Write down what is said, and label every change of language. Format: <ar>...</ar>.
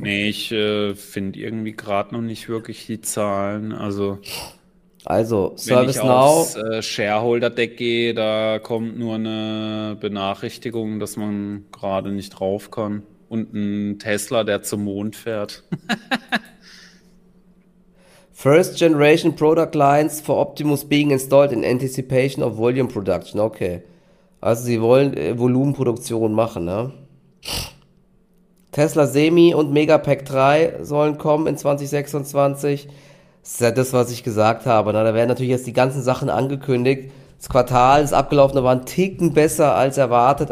<de>Nee, ich finde irgendwie gerade noch nicht wirklich die Zahlen. Also, Also, wenn ich</de> <en>Service</en> <de>aufs</de> <en>Now.</en> <de>Shareholder-Deck gehe, da kommt nur eine Benachrichtigung, dass man gerade nicht drauf kann. Und ein Tesla, der zum Mond fährt.</de> <en>First Generation Product Lines for Optimus being installed in anticipation of volume production. Okay.</en> <de>Also sie wollen Volumenproduktion machen, ne? Tesla Semi und Megapack 3 sollen kommen in 2026. Das ist ja das, was ich gesagt habe. Na, da werden natürlich jetzt die ganzen Sachen angekündigt. Das Quartal ist abgelaufen, da waren Ticken besser als erwartet.</de>